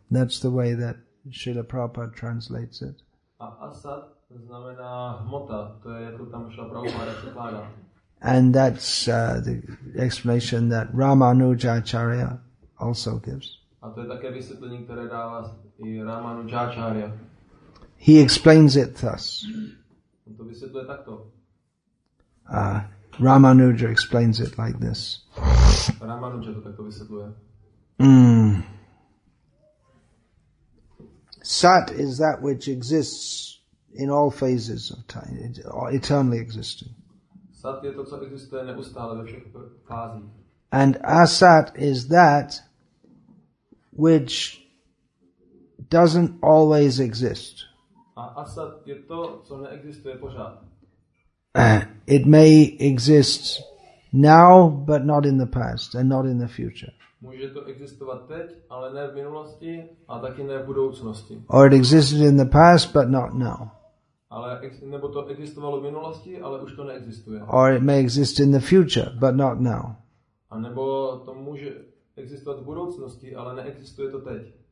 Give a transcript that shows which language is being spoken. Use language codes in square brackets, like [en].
[en] That's the way that Srila Prabhupada translates it. [cs] A asat znamená hmota. To je jako tam Srila Prabhupada překládá. [en] And that's the explanation that Ramanujacharya also gives. [cs] A to je také vysvětlení, které dává i Ramanujacharya. [en] He explains it thus. [cs] On to vysvětluje takto. [en] Ramanuja explains it like this. [cs] Ramanuja to takto vysvětluje. [en] Sat is that which exists in all phases of time, eternally existing. [cs] Sat je to, co existuje neustále ve všech fázích. [en] And asat is that which doesn't always exist. [cs] A asat je to, co neexistuje pořád. [en] It may exist now, but not in the past and not in the future. [cs] Může to existovat teď, ale ne v minulosti a taky ne v budoucnosti. [en] Or it existed in the past, but not now. [cs] Ale nebo to existovalo v minulosti, ale už to neexistuje. [en] Or it may exist in the future, but not now. [cs] A nebo to může existovat v budoucnosti, ale neexistuje to teď.